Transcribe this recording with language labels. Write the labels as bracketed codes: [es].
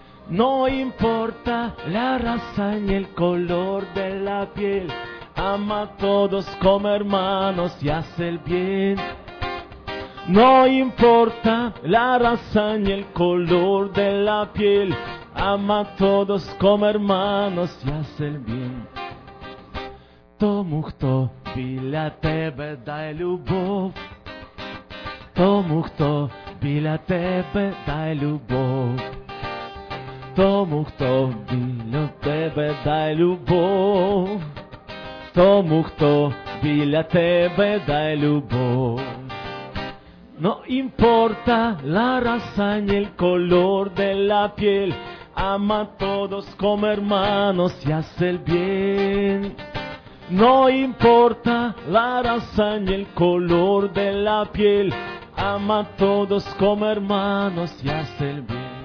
[es] No importa la raza ni el color de la piel, ama a todos como hermanos y hace el bien. No importa la raza ni el color de la piel, ama a todos como hermanos y hace el bien. [uk] Тому, хто біля тебе, дай любов. Тому, хто біля тебе, дай любов. Тому, хто біля тебе, дай любов. Тому, хто біля тебе, дай любов. [es] No importa la raza ni el color de la piel, ama a todos como hermanos y hace el bien. No importa la raza ni el color de la piel, ama a todos como hermanos y hace el bien.